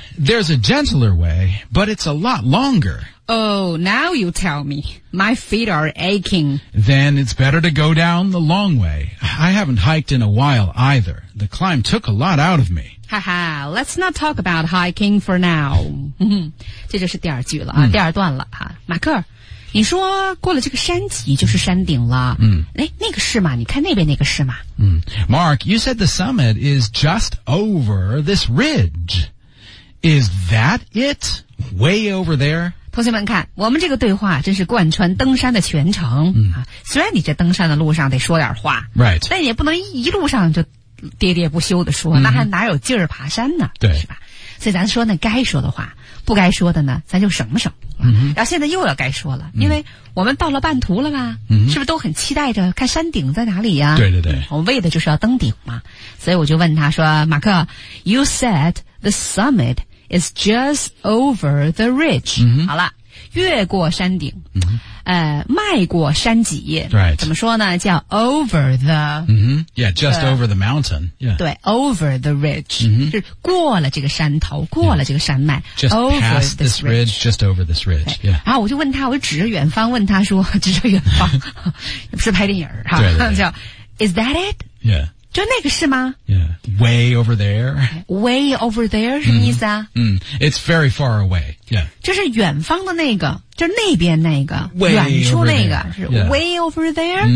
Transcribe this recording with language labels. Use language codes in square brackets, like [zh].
[en] There's a gentler way, but it's a lot longer. Oh, now you tell me. My feet are aching. Then it's better to go down the long way. I haven't hiked in a while either. the climb took a lot out of me. Haha, let's not talk about hiking for now. [zh] 这就是第二句了、第二段了、马克，你说过了这个山脊就是山顶了、那个是吗？你看那边那个是吗、 [en] Mark, you said the summit is just over this ridge. Is that it? Way over there? [zh] 同学们看，我们这个对话真是贯穿登山的全程、虽然你这登山的路上得说点话、 [en] right. [zh] 但也不能一路上就喋喋不休的说、那还哪有劲儿爬山呢，对，是吧？所以咱说那该说的话，不该说的呢咱就省省、然后现在又要该说了、因为我们到了半途了吧、是不是都很期待着看山顶在哪里呀、对对对，我们为的就是要登顶嘛。所以我就问他说，马克 [en] You said the summitIs just over the ridge.、 [zh] 好了，越过山顶、迈过山脊、 [en] right. [zh] 怎么说呢，叫 [en] over the、 yeah, just the, over the mountain、yeah. [zh] 对 [en] over the ridge、 [zh] 是过了这个山头，过了这个山脉、 [en] just over past this ridge, just over this ridge、yeah. [zh] 然后我就问他，我就指着远方问他说，指着远方不是拍电影哈，对对对， [en] 叫 Is that it? Yeah， [zh] 就那个是吗？ [en] Yeah. Way over there. Way over there, [zh] 什么意思啊？ [en] It's very far away. Yeah. [zh] 就是远方的那个，就是那边那个，远处那个，是 [en] way over there.